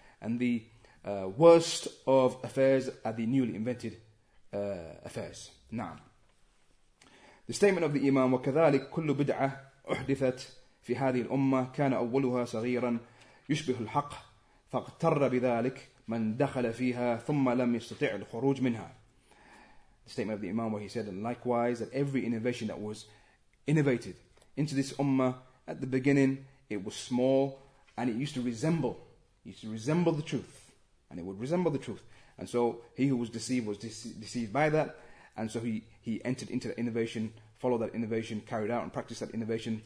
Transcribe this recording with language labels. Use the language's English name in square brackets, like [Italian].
[English] And the worst of affairs are the newly invented affairs. Na'am. The statement of the Imam, [Arabic] وكذلك كل بدعة أحدثت في هذه الأمة كان أولها صغيرا يشبه الحق فاغتر بذلك من دخل فيها ثم لم يستطع الخروج منها. [English] The statement of the Imam, where he said, and likewise, that every innovation that was innovated into this Ummah, at the beginning it was small and it used to resemble the truth. And it would resemble the truth. And so he who was deceived was deceived by that. And so he entered into that innovation, followed that innovation, carried out and practiced that innovation.